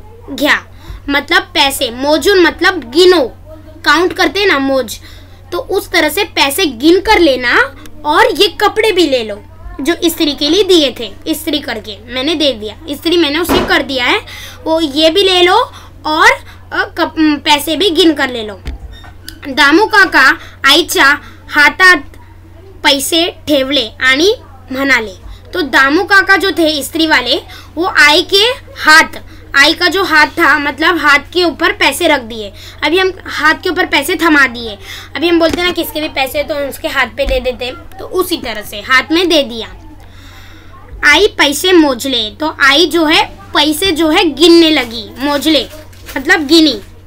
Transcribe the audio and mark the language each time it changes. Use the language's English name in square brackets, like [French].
[Hindi] घ्या, मतलब [Marathi] पैसे मोजून [Hindi] मतलब गिनो, काउंट करते ना मोज, तो उस तरह से पैसे गिन कर लेना और ये कपड़े भी ले लो जो इस्त्री के लिए दिए थे, इस्त्री करके मैंने दे दिया, इस्त्री मैंने उसे कर दिया है, वो ये भी ले लो और पैसे भी गिन कर ले लो। [Marathi] दामू काका आईचा हातात पैसे ठेवले आणि म्हणाले, [Hindi] तो दामू काका जो थे इस्त्री वाले, वो आई के हाथ, आई का जो हाथ था मतलब हाथ के ऊपर पैसे रख दिए, अभी हम हाथ के ऊपर पैसे थमा दिए, अभी हम बोलते हैं ना किसके भी पैसे तो उसके हाथ पे दे देते, तो उसी तरह से हाथ में दे दिया। [Marathi] आई पैसे मोजले, [Hindi] तो आई जो है पैसे जो है गिनने लगी, मोजले मतलब गिनी।